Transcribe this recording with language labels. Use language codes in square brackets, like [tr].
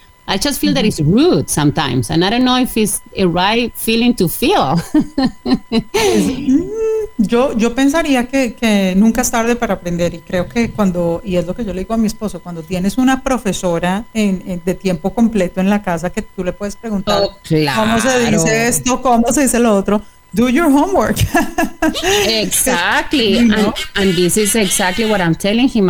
[en] I just feel that it's rude sometimes, and I don't know if it's a right feeling to feel. [es] yo pensaría que nunca es tarde para aprender, y creo que y es lo que yo le digo a mi esposo, cuando tienes una profesora en de tiempo completo en la casa que tú le puedes preguntar cómo se dice esto, cómo se dice lo otro. [en] Do your homework. Exactly. And this is exactly what I'm telling him.